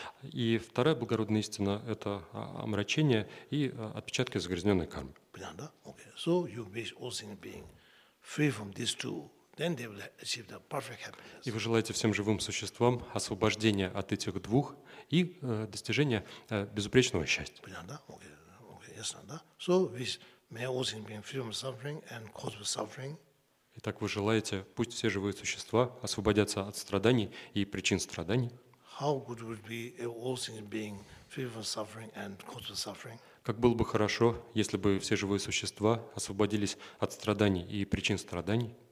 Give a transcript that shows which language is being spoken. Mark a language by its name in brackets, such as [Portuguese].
[Russian] И вторая благородная истина – это омрачение и отпечатки загрязненной кармы. Понятно, да? Okay. [English] So you wish all sentient beings free from these two, then they will achieve the perfect happiness. [Russian] И вы желаете всем живым существам освобождения от этих двух и достижения безупречного счастья. Понятно, да? [English] Okay. [Russian] Ясно, да? [English] So, wish may all sentient beings free from suffering and cause of suffering. [Russian] Итак, вы желаете, пусть все живые существа освободятся от страданий и причин страданий. [English] How good would be if all sentient beings free from suffering and cause of suffering? [Russian] Как было бы хорошо, если бы все живые существа освободились от страданий и причин страданий?